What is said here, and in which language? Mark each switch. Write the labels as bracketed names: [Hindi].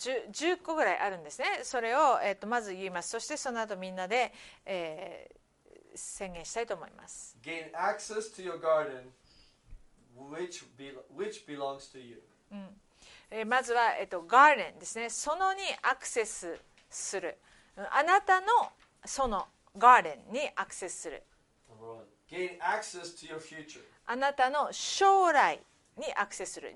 [Japanese] 10個ぐらいあるんですね。それをまず言います。そしてその後みんなで、宣言したいと思います。 [English] Gain access to your garden, which belongs to you. [Japanese] まずは、ガーデンですね。園にアクセスする、あなたの園、ガーデンにアクセスする。 [English] Gain access to your future. [Japanese] あなたの将来にアクセスする。